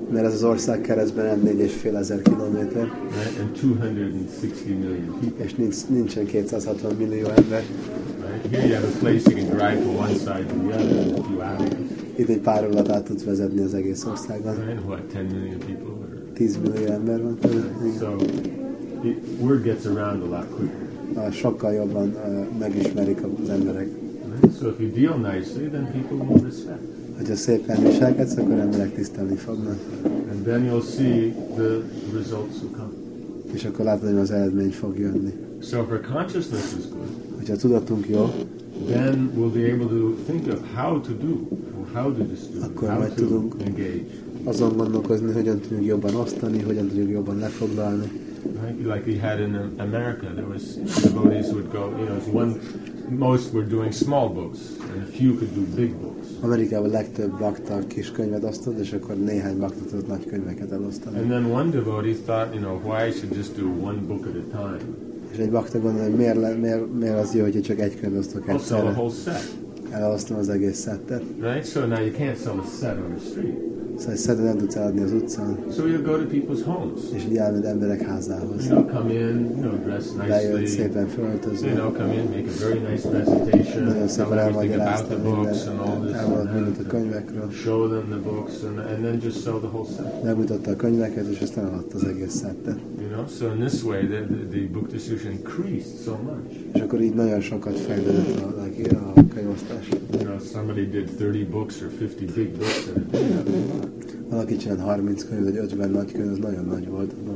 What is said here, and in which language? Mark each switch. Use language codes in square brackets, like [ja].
[hu] Mert ez az ország keresztben 4,500 kilométer. [en] Right? And 260 million people. [hu] És nincsen 260 millió ember. [en] Right? Here you have a place you can drive from one side to the other in a few hours. [hu] Itt egy pár órát át tudsz vezetni az egész országban. [en] Right? What, 10 million people? Or... [hu] 10 millió ember van. [en] Right? So, word gets around a lot quicker. [hu] Sokkal jobban megismerik az emberek. [en] Right? So if you deal nicely, then people will respect. [hu] Hogyha szépen viselkedsz, akkor emberek tisztelni fognak. [en] And then you'll see the results will come. [hu] És akkor látod, hogy az eredmény fog jönni. [en] So if our consciousness is good, [hu] hogyha tudatunk jó, [en] then we'll be able to think of how to do, or how to distribute, how to engage. [hu] Azon gondolkozni, hogyan tudjuk jobban osztani, hogyan tudjuk jobban lefoglalni. [en] Right? Like we had in America, there was devotees would go, you know, one, most were doing small books, and a few could do big books. [hu] Amerikában a legtöbb bakta kis könyvet osztott, és akkor néhány bakta tudott nagy könyveket elosztani. [en] And then one devotee thought, you know, why should just do one book at a time? [hu] És egy bakta gondolja, hogy miért az jó, hogy csak egy könyvet osztok egyszerre. [en] I'll sell a whole set. [hu] Elosztom az egész szettet. [en] Right? So now you can't sell a set on the street. [hu] Szóval egy szedet nem tudsz eladni az utcán. [en] So you'll go to people's homes. [hu] És így elmed emberek házához. [en] You know, come in, you know, dress nicely. [hu] Lejött szépen felöltözni. [en] You know, come in, make a very nice presentation. [hu] Nagyon szépen elmagyarázta minden. Elmondott mindent a könyvekről. [en] Show them the books and then just sell the whole set. [hu] Megmutatta a könyveket, és aztán eladta az egész szettet. [en] You know, so in this way the book distribution increased so much. [hu] És akkor így nagyon sokat fejlődött a könyvosztás. [en] You know, somebody did 30 books or 50 big books at a time. [hu] Valaki csinált 30 könyv, vagy 50 nagy könyv, az nagyon nagy volt.